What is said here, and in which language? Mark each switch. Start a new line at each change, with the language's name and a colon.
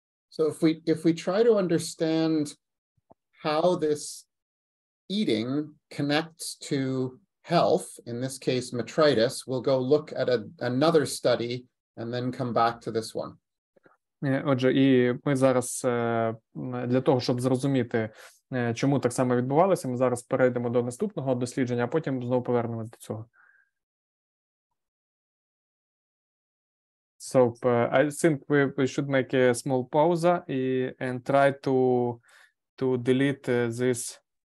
English: So if we try to understand how this eating connects to health, in this case metritis, we'll go look at another study and then come back to this one.
Ukrainian: Отже, і ми зараз для того, щоб зрозуміти, чому так само відбувалося, ми зараз перейдемо до наступного дослідження, а потім знову повернемось до цього.
English: So I think we should make a small pause and try to delete this.